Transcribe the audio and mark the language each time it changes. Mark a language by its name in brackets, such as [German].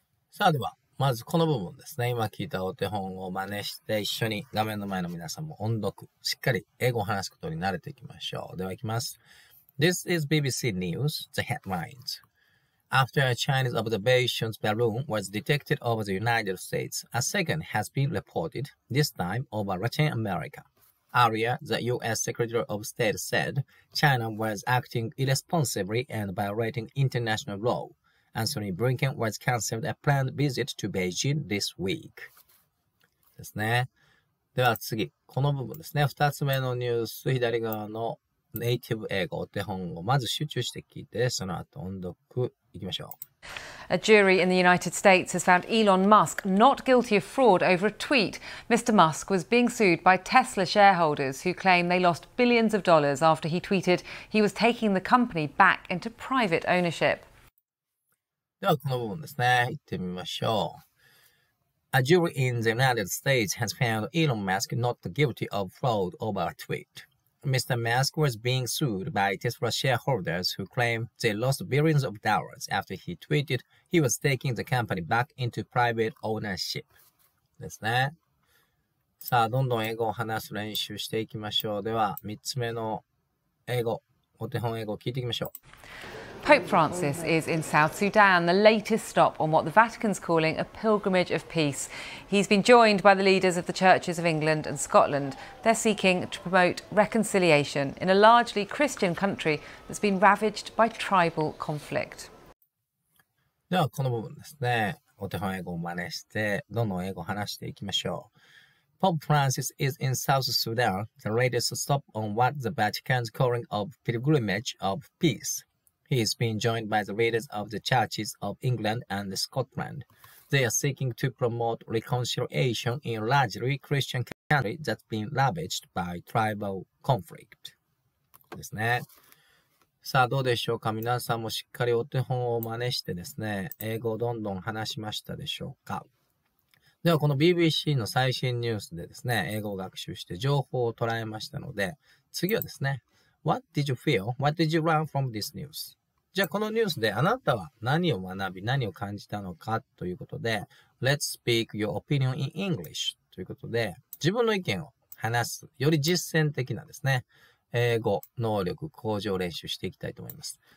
[Japanese] さあでは、まずこの部分ですね。今聞いたお手本を真似して一緒に画面の前の皆さんも音読、しっかり英語を話すことに慣れていきましょう。では行きます。 [English] This is BBC News, the headlines. After a Chinese observation balloon was detected over the United States, a second has been reported, this time over Latin America. Earlier, the US Secretary of State said China was acting irresponsibly and violating international law. Antony Blinken was cancelled a planned visit to Beijing this week. [Japanese] ですね。では次、この部分ですね。二つ目のニュース、左側のネイティブ英語お手本をまず集中して聞いて、その後音読いきましょう。 [English] A jury in the United States has found Elon Musk not guilty of fraud over a tweet. Mr. Musk was being sued by Tesla shareholders who claim they lost billions of dollars after he tweeted he was taking the company back into private ownership. [Japanese] ではこの部分ですね、行ってみましょう。 [English] A jury in the United States has found Elon Musk not guilty of fraud over a tweet. Mr. Musk was being sued by Tesla shareholders who claim they lost billions of dollars after he tweeted he was taking the company back into private ownership. [Japanese] ですね。さあ、どんどん英語を話す練習していきましょう。では、3つ目の英語、お手本英語を聞いていきましょう。 [English] Pope Francis is in South Sudan, the latest stop on what the Vatican's calling a pilgrimage of peace. He's been joined by the leaders of the churches of England and Scotland. They're seeking to promote reconciliation in a largely Christian country that's been ravaged by tribal conflict. [Japanese] ではこの部分ですね。お手本英語を真似して、どんどん英語を話していきましょう。 [English] Pope Francis is in South Sudan, the latest stop on what the Vatican's calling a pilgrimage of peace. He is being joined by the leaders of the churches of England and Scotland. They are seeking to promote reconciliation in a largely Christian country that's been ravaged by tribal conflict. [Japanese] ですね。さあ、どうでしょうか。皆さんもしっかりお手本を真似してですね、英語をどんどん話しましたでしょうか。では、この BBC の最新ニュースでですね、英語を学習して情報を捉えましたので、次はですね、 [English] What did you feel? What did you learn from this news? [Japanese] じゃあこのニュースであなたは何を学び、何を感じたのかということで、 [English] Let's speak your opinion in English [Japanese] ということで、自分の意見を話す、より実践的なですね、英語能力向上練習していきたいと思います。